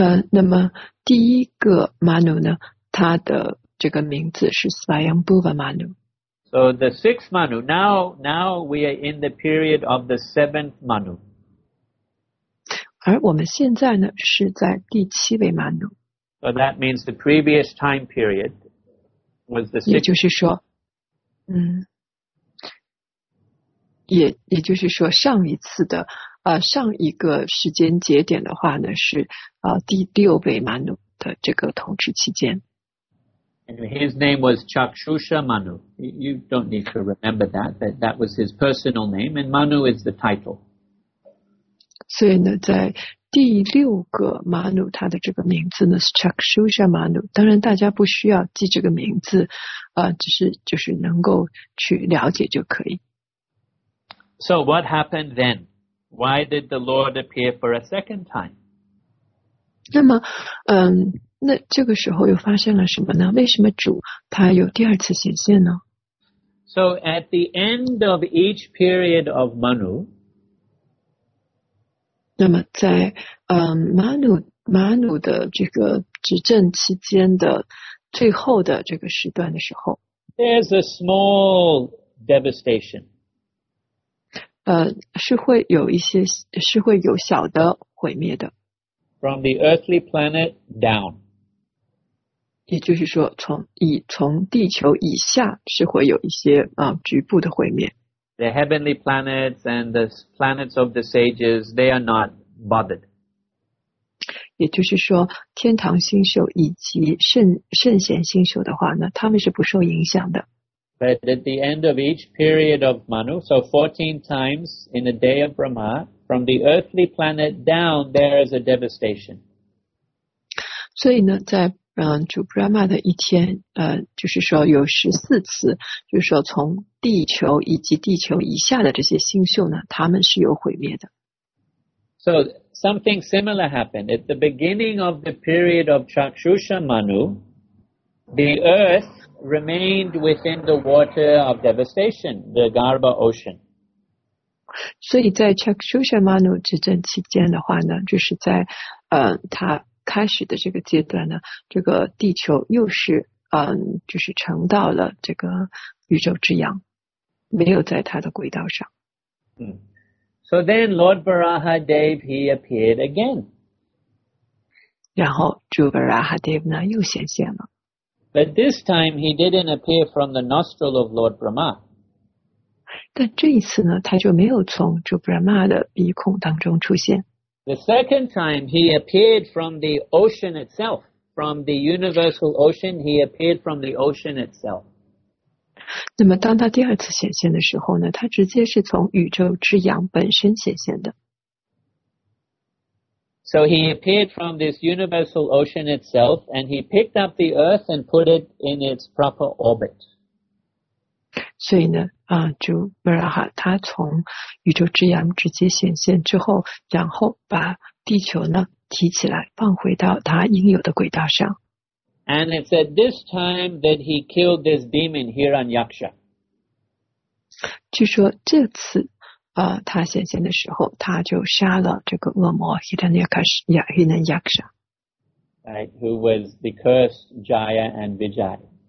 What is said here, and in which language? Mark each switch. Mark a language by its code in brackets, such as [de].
[zh] 那么第一个 Manu 呢，他的这个名字是 Swayambhuva Manu. [en] So the sixth Manu, now we are in the period of the seventh Manu. [zh] 而我们现在呢，是在第七位 Manu。 [en] So that means the previous time period was the sixth. [zh] 也就是说，也就是说，上一次的上一个时间节点的话呢，是第六位马努的这个统治期间。 [en] And his name was Chakshusha Manu. You don't need to remember that, but that was his personal name, and Manu is the title. [zh] 所以呢，在第六个马努他的这个名字呢是 Chakshusha Manu， 当然大家不需要记这个名字只是能够去了解就可以。 [en] So what happened then? Why did the Lord appear for a second time? [zh] 那么那这个时候又发现了什么呢？为什么主他有第二次显现呢？ [en] So at the end of each period of Manu, [zh] 那么在Manu 的这个执政期间的最后的这个时段的时候， [en] There's a small devastation. [zh] 是会有小的毁灭的。 [en] From the earthly planet down. [zh] 也就是说从地球以下是会有一些局部的毁灭。 [en] The heavenly planets and the planets of the sages, they are not bothered. [zh] 也就是说天堂星宿以及圣贤星宿的话呢他们是不受影响的。 [en] But at the end of each period of Manu, so 14 times in a day of Brahma,From the earthly planet down, there is a devastation. [zh] 所以呢，在主 Brahma 的一天，就是说有14次，就是说从地球以及地球以下的这些星宿呢，他们是有毁灭的。 [en] So something similar happened at the beginning of the period of Chakshusha Manu. The earth remained within the water of devastation, the Garbha Ocean. [zh] 所以在 Chakshusha Manu 执政期间的话呢就是在他开始的这个阶段呢这个地球又是就是沉到了这个宇宙之洋没有在他的轨道上。 [en] So then Lord Varahadev, he appeared again. [zh] 然后主 Varahadev 呢又显现了。 [en] But this time he didn't appear from the nostril of Lord Brahma. [zh] 但这一次呢他就没有从主 Brahma 的鼻孔当中出现。 [en] The second time he appeared from the ocean itself, from the universal ocean, he appeared from the ocean itself. [zh] 那么当他第二次显现的时候呢他直接是从宇宙之阳本身显现的。 [en] So he appeared from this universal ocean itself, and he picked up the earth and put it in its proper orbit. [zh] 所以呢主 Varaha 他从宇宙之阳直接显现之后然后把地球呢提起来放回到他应有的轨道上。 [en] And it's at this time that he killed this demon Hiranyaksha. [zh] 据说这次他显现的时候他就杀了这个恶魔 Hiranyaksha. [en] Right, who was the cursed Jaya and Vijaya.